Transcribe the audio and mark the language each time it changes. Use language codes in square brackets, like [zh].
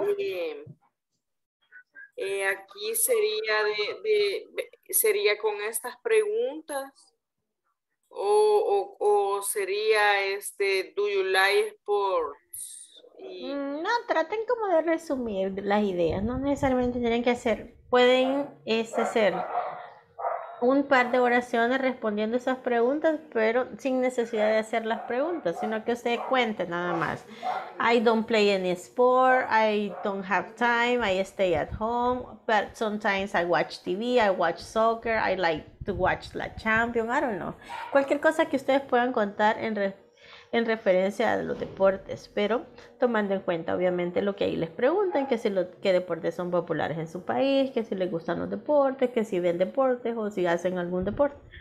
[es] Aquí sería sería con estas preguntas o sería [en] do you like sports? [es] No, traten como de resumir las ideas, no necesariamente tienen que hacer, pueden hacer un par de oraciones respondiendo esas preguntas, pero sin necesidad de hacer las preguntas, sino que usted cuente nada más. [en] I don't play any sport, I don't have time, I stay at home, but sometimes I watch TV, I watch soccer, I like to watch la Champions, I don't know. [es] Cualquier cosa que ustedes puedan contar en referencia a los deportes, pero tomando en cuenta obviamente lo que ahí les preguntan, que si qué deportes son populares en su país, que si les gustan los deportes, que si ven deportes o si hacen algún deporte.